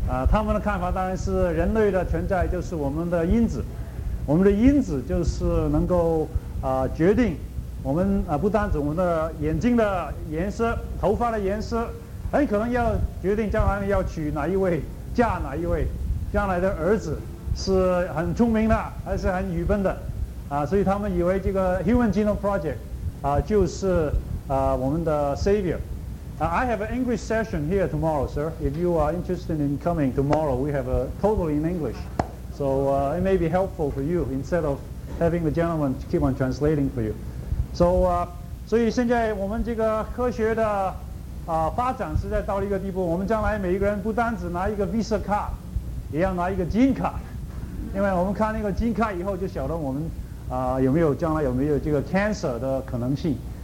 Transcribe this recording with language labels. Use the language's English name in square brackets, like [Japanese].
[Chinese] 他们的看法当然是人类的存在就是我们的因子，我们的因子就是能够决定我们不单指我们的眼睛的颜色、头发的颜色，很可能要决定将来要娶哪一位、嫁哪一位，将来的儿子是很聪明的还是很愚笨的所以他们以为这个 Human Genome Project 就是我们的 savior。 [English] I have an English session here tomorrow, sir. If you are interested in coming tomorrow, we have a totally in English. So it may be helpful for you instead of having the gentleman keep on translating for you. [Chinese] So, 所以现在我们这个科学的发展是在到了一个地步，我们将来每一个人不单只拿一个 Visa 卡，也要拿一个金卡，因为我们看那个金卡以后就晓得我们有没有将来有没有这个 cancer 的可能性。